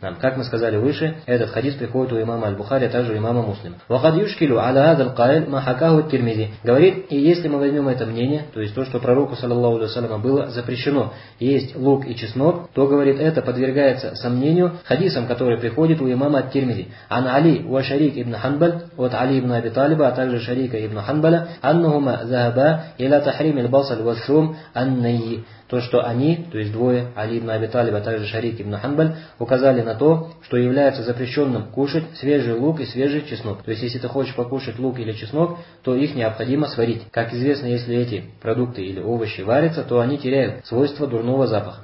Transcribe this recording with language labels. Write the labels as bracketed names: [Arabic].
[Russian] Как мы сказали выше, этот хадис приходит у имама Аль-Бухари, а также у имама Муслима. [Arabic] وَقَدْ يُشْكِلُ عَلَى هَذَا الْقَائِلِ مَا حَكَاهُ التِّرْمِذِي. [Russian] Говорит, и если мы возьмем это мнение, то есть то, что пророку, саллаллаху алейхи ва саллям, было запрещено есть лук и чеснок, то, говорит, это подвергается сомнению хадисам, который приходит у имама Ат-Тирмизи. [Arabic] عَنْ عَلِي وَشَرِيك ибн حَنْبَلَ, [Russian] от Али ибн Аби Талиба, а также Шарика ибн [Arabic] حَنْبَلَ, أَنَّهُمَا ذَهَبَا إِلَى تَحْرِيمِ الْبَصَلِ وَالثُّومِ النَّيِّ. [Russian] То, что они, то есть двое, Али ибн Аби Талиб, а также Шарик ибн Ханбаль, указали на то, что является запрещенным кушать свежий лук и свежий чеснок. То есть, если ты хочешь покушать лук или чеснок, то их необходимо сварить. Как известно, если эти продукты или овощи варятся, то они теряют свойство дурного запаха.